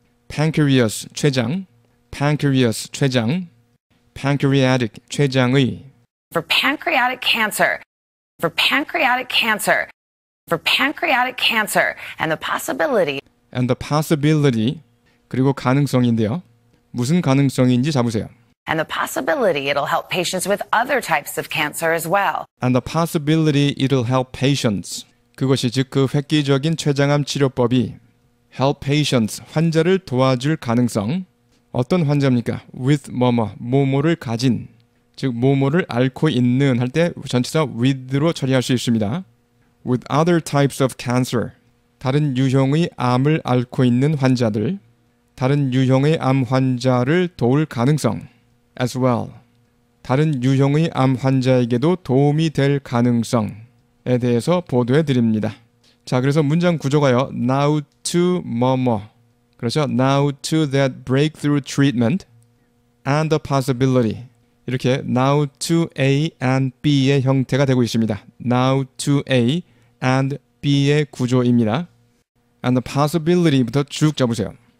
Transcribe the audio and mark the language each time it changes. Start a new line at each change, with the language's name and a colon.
English: Pancreas, 췌장. Pancreas, 췌장. Pancreatic, 췌장의. For pancreatic cancer. For pancreatic cancer. For pancreatic cancer and the possibility. And the possibility.
Korean: 그리고 가능성인데요. 무슨 가능성인지 잡으세요.
English: And the possibility it'll help patients with other types of cancer as well. And the possibility it'll help patients.
Korean: 그것이 즉 그 획기적인 췌장암 치료법이
English: help patients,
Korean: 환자를 도와줄 가능성. 어떤 환자입니까? With 뭐뭐, 뭐뭐를 가진. 즉 뭐뭐를 앓고 있는 할 때 전치사 with로 처리할 수 있습니다.
English: With other types of cancer.
Korean: 다른 유형의 암을 앓고 있는 환자들. 다른 유형의 암 환자를 도울 가능성,
English: as well.
Korean: 다른 유형의 암 환자에게도 도움이 될 가능성에 대해서 보도해 드립니다. 자, 그래서 문장 구조가요. Now to 뭐뭐, 그렇죠?
English: Now to that breakthrough treatment and the possibility.
Korean: 이렇게
English: now to A and B
Korean: 의 형태가 되고 있습니다.
English: Now to A and B의
Korean: 구조입니다.
English: And the possibility
Korean: 부터 쭉 잡으세요.